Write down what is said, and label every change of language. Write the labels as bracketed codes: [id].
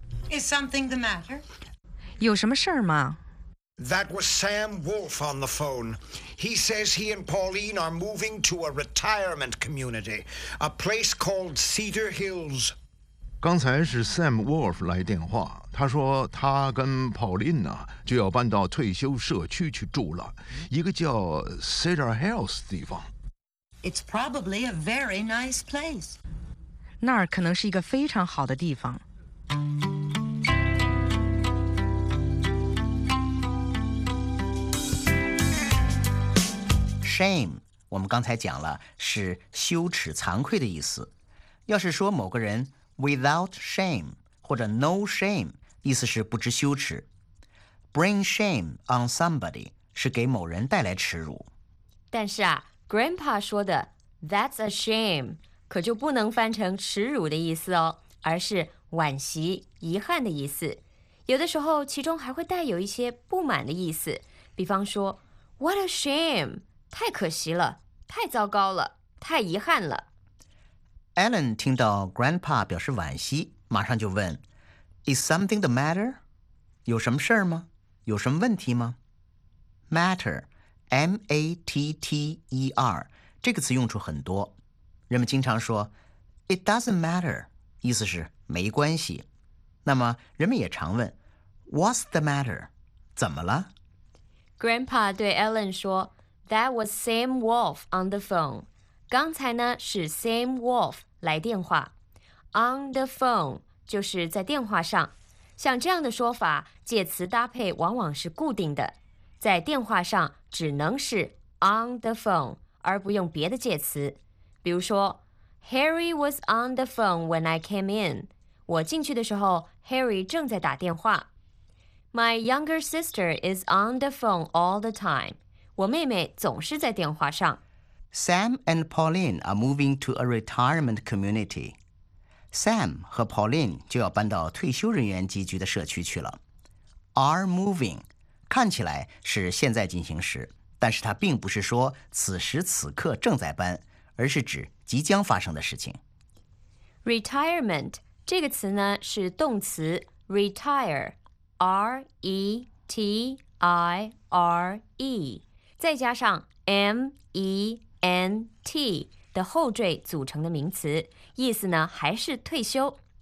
[en] Is something the matter? [zh] 有什么事儿吗？ [en] That was Sam Wolf on the phone. He says he and Pauline are moving to a retirement community, a place called Cedar Hills. [zh] 刚才是 Sam Wolf 来电话，他说他跟 Pauline 呢就要搬到退休社区去住了，一个叫 Cedar Hills 地方。 [en] It's probably a very nice place. [zh] 那儿可能是一个非常好的地方。 Shame， 我们刚才讲了是羞耻、惭愧的意思。要是说某个人 [en] without shame [zh] 或者 [en] no shame， [zh] 意思是不知羞耻。 [en] Bring shame on somebody [zh] 是给某人带来耻辱。但是啊。 Grandpa 说的 [en] That's a shame [zh] 可就不能翻成耻辱的意思哦，而是惋惜、遗憾的意思。有的时候其中还会带有一些不满的意思，比方说 [en] What a shame， [zh] 太可惜了，太糟糕了，太遗憾了。 Alan 听到 Grandpa 表示惋惜，马上就问 [en] Is something the matter？ [zh] 有什么事儿吗？有什么问题吗？ MatterMATTER 这个词用处很多，人们经常说 [en] It doesn't matter， [zh] 意思是没关系。那么人们也常问 [en] What's the matter？ [zh] 怎么了？ [en] Grandpa 对 Ellen [zh] 说 [en] That was Sam Wolf on the phone。 [zh] 刚才呢是 Sam Wolf 来电话， [en] On the phone [zh] 就是在电话上。像这样的说法，介词搭配往往是固定的，在电话上只能是 [en] on the phone， [zh] 而不用别的介词。比如说 [en] ，Harry was on the phone when I came in。 [zh] 我进去的时候 ，Harry 正在打电话。 [en] My younger sister is on the phone all the time。 [zh] 我妹妹总是在电话上。 [en] Sam and Pauline are moving to a retirement community。 [zh] Sam 和 Pauline 就要搬到退休人员集居的社区去了。 [en] Are moving。 [zh] 看起来是现在进行时，但是它并不是说此时此刻正在搬，而是指即将发生的事情。 Retirement 这个词呢是动词 retire， R E T I R E， 再加上 M E N T 的后缀组成的名词，意思呢还是退休。